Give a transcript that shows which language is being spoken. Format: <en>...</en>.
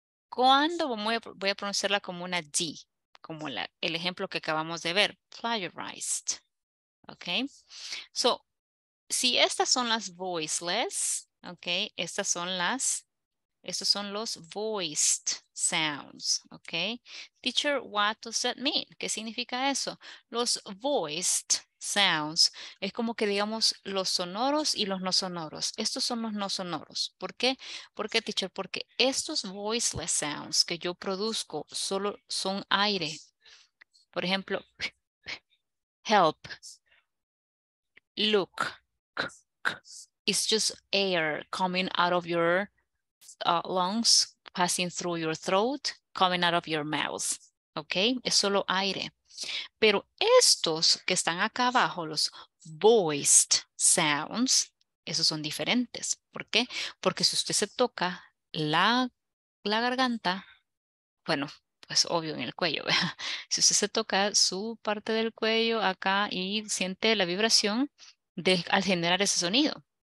<es>Cuando voy a pronunciarla como una D, como la, el ejemplo que acabamos de ver, plagiarized, okay? So, si estas son las voiceless, okay, estas son las, estos son los voiced sounds, okay?</es> <en>Teacher, what does that mean?</en> <es>¿Qué significa eso? Los voiced sounds es como que digamos los sonoros y los no sonoros. Estos son los no sonoros. ¿Por qué? ¿Por qué, teacher? Porque estos voiceless sounds que yo produzco solo son aire. Por ejemplo,</es> <en>help, look, it's just air coming out of your lungs, passing through your throat, coming out of your mouth.</en> <es>Okay, es solo aire. Pero estos que están acá abajo, los voiced sounds, esos son diferentes. ¿Por qué? Porque si usted se toca la garganta, bueno, pues obvio en el cuello, ¿verdad? Si usted se toca su parte del cuello acá y siente la vibración de, al generar ese sonido.</es>